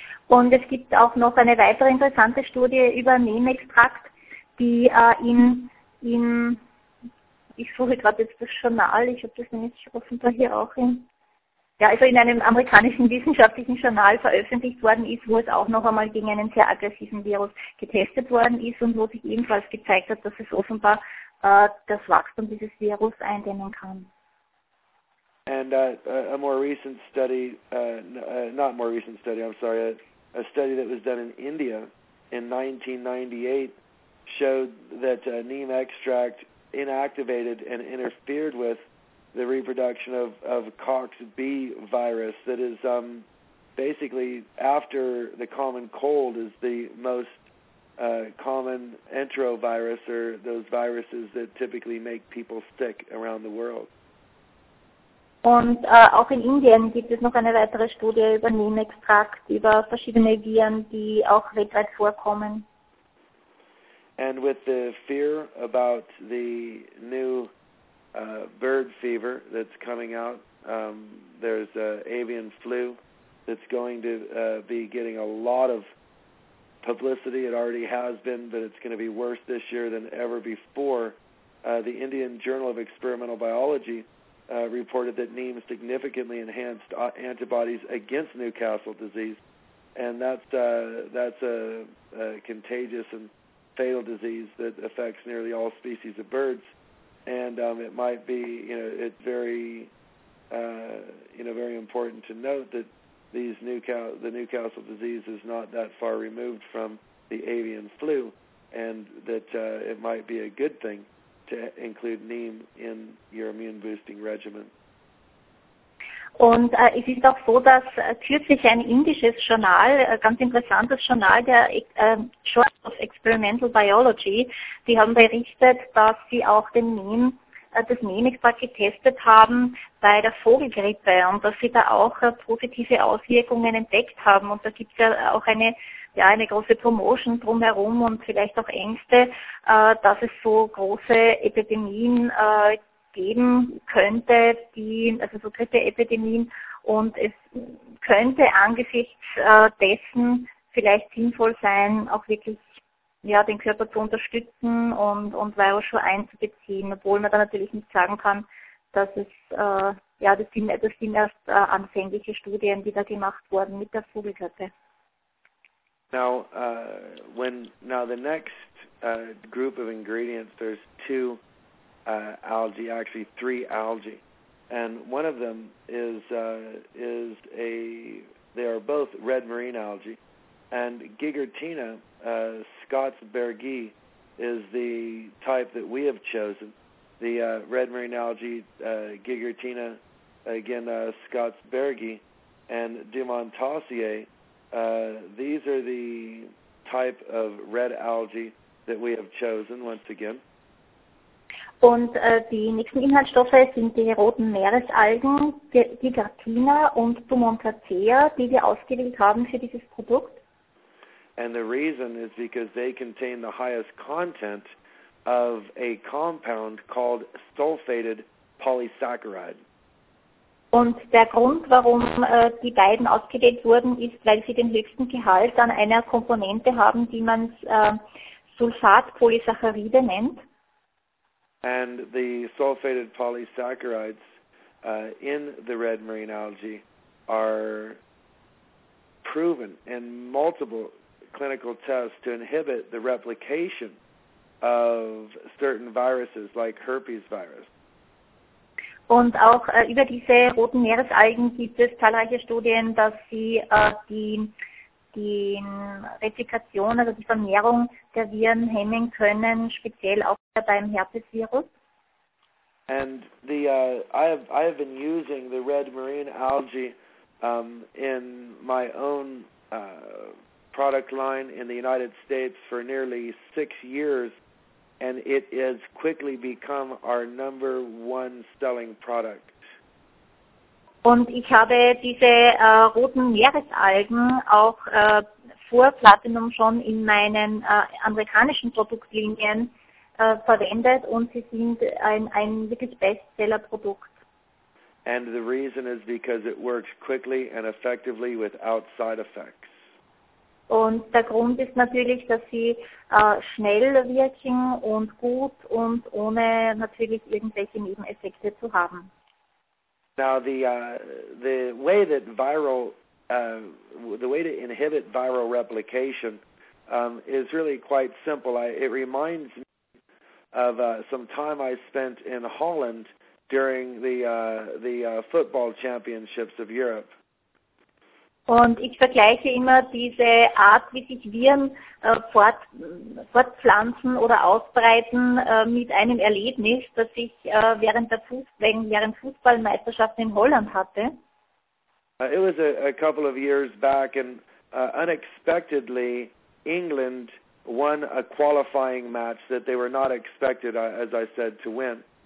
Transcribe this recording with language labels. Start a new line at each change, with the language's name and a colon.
German: Und es gibt auch noch eine weitere interessante Studie über Neem-Extrakt, die ich suche gerade jetzt das Journal, ich habe das nämlich offenbar hier auch in Ja, also in einem amerikanischen wissenschaftlichen Journal veröffentlicht worden ist, wo es auch noch einmal gegen einen sehr aggressiven Virus getestet worden ist und wo sich ebenfalls gezeigt hat, dass es offenbar das Wachstum dieses Virus eindämmen kann.
English: And a more recent study, not more recent study, I'm sorry, a study that was done in India in 1998 showed that neem extract inactivated and interfered with the reproduction of COX-B virus that is basically after the common cold is the most common enterovirus or those viruses that typically make people sick around the world.
German: Und auch in Indien gibt es noch eine weitere Studie über Neem-Extrakt, über verschiedene Viren, die auch weltweit vorkommen.
English: And with the fear about the new bird fever that's coming out, there's avian flu that's going to be getting a lot of publicity. It already has been, but it's going to be worse this year than ever before. The Indian Journal of Experimental Biology reported that neem significantly enhanced antibodies against Newcastle disease, and that's a contagious and fatal disease that affects nearly all species of birds. And it might be, it's very, very important to note that the Newcastle disease is not that far removed from the avian flu, and that it might be a good thing to include neem in your immune boosting regimen.
German: Und es ist auch so, dass kürzlich ein indisches Journal, ganz interessantes Journal, der Journal of Experimental Biology, die haben berichtet, dass sie auch den Neem, das Neem-Extrakt getestet haben bei der Vogelgrippe und dass sie da auch positive Auswirkungen entdeckt haben. Und da gibt es ja auch eine große Promotion drumherum und vielleicht auch Ängste, dass es so große Epidemien geben könnte, so Grippe-Epidemien, und es könnte angesichts dessen vielleicht sinnvoll sein, auch wirklich den Körper zu unterstützen und Virusschuhe einzubeziehen, obwohl man da natürlich nicht sagen kann, dass es das sind erst anfängliche Studien, die da gemacht wurden mit der Vogelgrippe.
English: Now, the next group of ingredients, there's two algae, actually three algae, and one of them they are both red marine algae, and Gigertina scotsbergi is the type that we have chosen, the red marine algae Gigertina, again scotsbergi, and Dumontosier. These are the type of red algae that we have chosen once again.
German: Und die nächsten Inhaltsstoffe sind die roten Meeresalgen, die Gigertina und Dumontosier, die wir ausgewählt haben für dieses Produkt.
English: And the reason is because they contain the highest content of a compound called sulfated polysaccharide.
German: Und der Grund, warum die beiden ausgewählt wurden, ist, weil sie den höchsten Gehalt an einer Komponente haben, die man Sulfatpolysaccharide nennt.
English: And the sulfated polysaccharides in the red marine algae are proven in multiple clinical tests to inhibit the replication of certain viruses like herpes virus.
German: Und auch über diese roten Meeresalgen gibt es zahlreiche Studien, dass sie die Replikation, also die Vermehrung der Viren hemmen können, speziell auch beim Herpesvirus.
English: And I have been using the red marine algae in my own product line in the United States for nearly 6 years. And it has quickly become our number one selling product.
German: Und ich habe diese roten Meeresalgen auch vor Platinum schon in meinen amerikanischen Produktlinien verwendet, und sie sind ein wirklich Bestseller-Produkt.
English: And the reason is because it works quickly and effectively without side effects.
German: Und der Grund ist natürlich, dass sie schnell wirken und gut und ohne natürlich irgendwelche Nebeneffekte zu haben.
English: Now, the way that the way to inhibit viral replication is really quite simple. It reminds me of some time I spent in Holland during the football championships of Europe.
German: Und ich vergleiche immer diese Art, wie sich Viren fortpflanzen oder ausbreiten mit einem Erlebnis, das ich während Fußballmeisterschaften in Holland hatte.
English: It was a couple of years back and unexpectedly England won a qualifying match that they were not expected, as I said, to win.